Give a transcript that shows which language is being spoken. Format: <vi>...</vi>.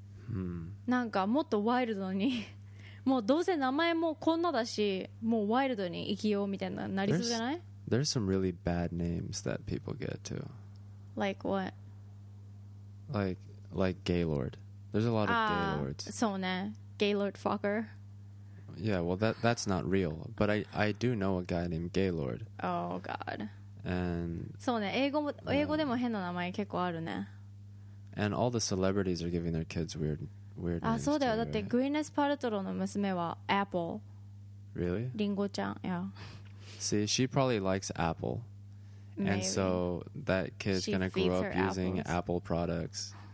<ja>うん、なんかもっとワイルドに、もうどうせ名前もこんなだし、もうワイルドに生きようみたいななりそうじゃない。</ja> <en>There's some really bad names that people get too. Like what? Like Gaylord. There's a lot of Gaylords.</en> <ja>そうね、 Gaylord fucker。</ja> <en>Yeah, well, that's not real. But I do know a guy named Gaylord. Oh, God. And...</en> <ja>そうね、英語でも変な名前結構あるね。</ja> <en>And all the celebrities are giving their kids weird names.</en> <ja>あ、そうだよ。</ja> <en>too,</en> <ja>だって、</ja> <en>right?</en> <ja>グイネス・パルトロの娘は Apple.</ja> <en>Really?</en> <ja>リンゴちゃん、yeah.</ja> <en>See, she probably likes Apple. Maybe. And so that kid's going to grow up using Apple products.</en>